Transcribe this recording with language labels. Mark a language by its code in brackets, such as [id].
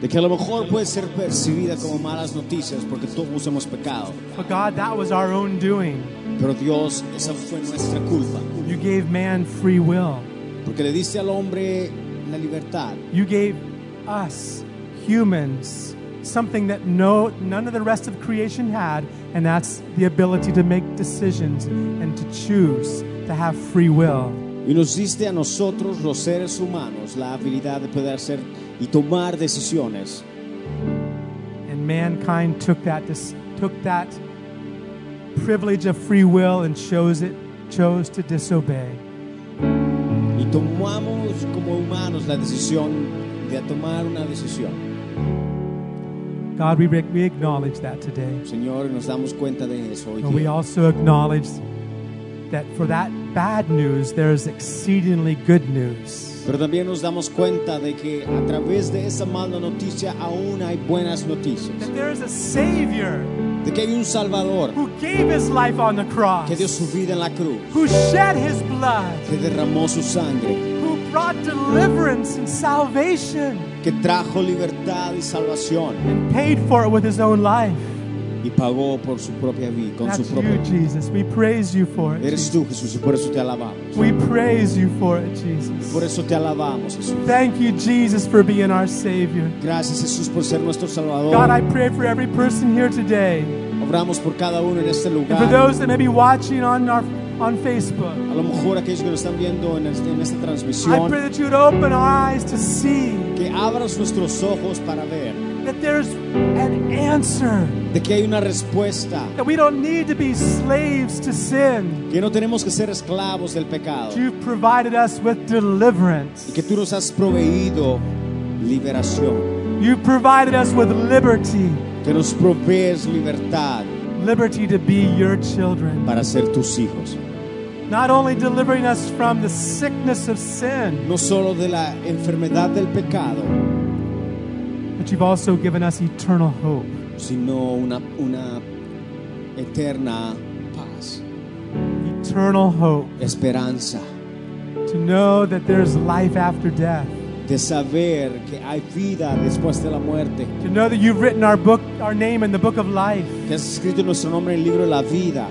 [es] De que a lo mejor puede ser percibida como malas noticias porque todos hemos pecado. [en] But God, that was our own doing. [es] Pero Dios, esa fue nuestra culpa. [en] You gave man free will. [es] Porque le diste al hombre la libertad. [en] You gave us humans something that none of the rest of creation had, and that's the ability to make decisions and to choose to have free will. [es] Y nos diste a nosotros los seres humanos la habilidad de poder hacer y tomar decisiones. [en] And mankind took that privilege of free will and chose to disobey. [es] Y tomamos como humanos la decisión de tomar una decisión. [en] God, we acknowledge that today. [es] Señor, nos damos cuenta de eso hoy. [en] And we also acknowledge that for that bad news, there is exceedingly good news. [es] Pero también nos damos cuenta de que a través de esa mala noticia aún hay buenas noticias. [en] That there is a Savior. [es] De que hay un Salvador. [en] Who gave his life on the cross. [es] Que dio su vida en la cruz. [en] Who shed his blood. [es] Que derramó su sangre. [en] Who brought deliverance and salvation. [es] Que trajo libertad y salvación. [en] And paid for it with his own life. [es] Y pagó por su propia vida con [en] That's [es] su propia [en] you, Jesus. We praise you for it. [es] Eres tú, Jesús, y por eso te alabamos. [en] We praise you for it, Jesus. [es] Por eso te alabamos, Jesús. [en] Thank you, Jesus, for being our Savior. [es] Gracias, Jesús, por ser nuestro Salvador. [en] God, I pray for every person here today. [es] Oramos por cada uno en este lugar. [en] And for those that may be watching on Facebook. [es] A lo mejor aquellos que lo están viendo en esta transmisión. [en] I pray that you'd open our eyes to see. [es] Que abras nuestros ojos para ver. [en] That there's an answer. [es] De que hay una respuesta. [en] That we don't need to be slaves to sin. [es] Que no tenemos que ser esclavos del pecado. [en] You've provided us with deliverance. [es] Y que tú nos has proveído liberación. [en] You've provided us with liberty. [es] Que nos provees libertad. [en] Liberty to be your children. [es] Para ser tus hijos. [en] Not only delivering us from the sickness of sin. [es] No solo de la enfermedad del pecado. [en] But you've also given us eternal hope. [es] Sino una eterna paz. [en] Eternal hope. [es] Esperanza. [en] To know that there's life after death. [es] De saber que hay vida después de la muerte. [en] To know that you've written our book, our name in the book of life. [es] Que has escrito nuestro nombre en el libro de la vida.